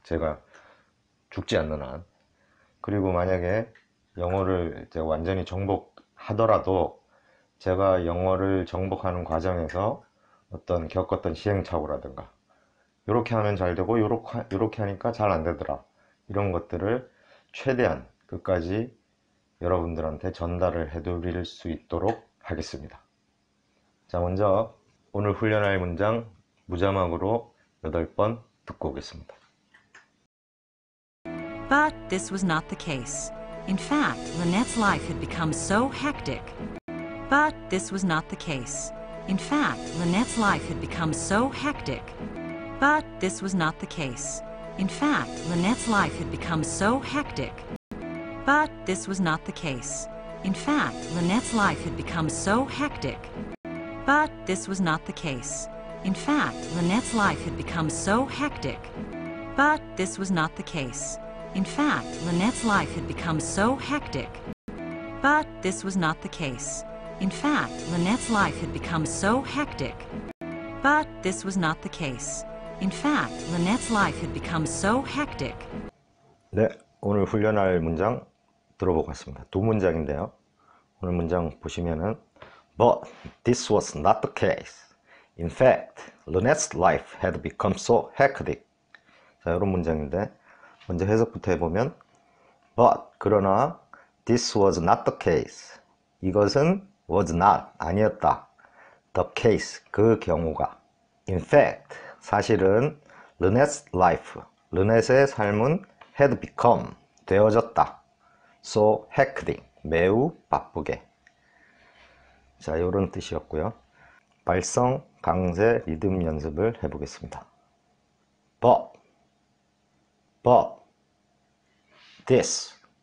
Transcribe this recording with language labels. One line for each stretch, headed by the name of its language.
Korean: 제가 죽지 않는 한. 그리고 만약에 영어를 제가 완전히 정복하더라도 제가 영어를 정복하는 과정에서 어떤 겪었던 시행착오라든가, 요렇게 하면 잘 되고, 요렇게 하니까 잘안 되더라. 이런 것들을 최대한 끝까지 여러분들한테 전달을 해 드릴 수 있도록 하겠습니다. 자, 먼저 오늘 훈련할 문장 무자막으로 8번 듣고 오겠습니다.
English: But this was not the case. In fact, Lynette's life had become so hectic. But this was not the case. In fact, Lynette's life had become so hectic. But this was not the case. In fact, Lynette's life had become so hectic. But this was not the case. In fact, Lynette's life had become so hectic. But this was not the case. In fact, Lynette's life had become so hectic. But this was not the case. In fact, Lynette's life had become so hectic. But this was not the case. In fact, Lynette's life had become so hectic. But this was not the case. In fact, Lynette's life had become so hectic.
Korean: 네, 오늘 훈련할 문장 들어보겠습니다. 두 문장인데요. 오늘 문장 보시면은
English: But this was not the case. In fact, Lynette's life had become so hectic.
Korean: 자, 이런 문장인데 먼저 해석부터 해보면 But, 그러나
English: This was not the case.
Korean: 이것은
English: was not,
Korean: 아니었다.
English: The case,
Korean: 그 경우가.
English: In fact,
Korean: 사실은
English: Lynette's life,
Korean: Lynette의 삶은
English: had become,
Korean: 되어졌다.
English: So hectic,
Korean: 매우 바쁘게. 자, 요런 뜻이었고요. 발성, 강세, 리듬 연습을 해보겠습니다.
English: But, this,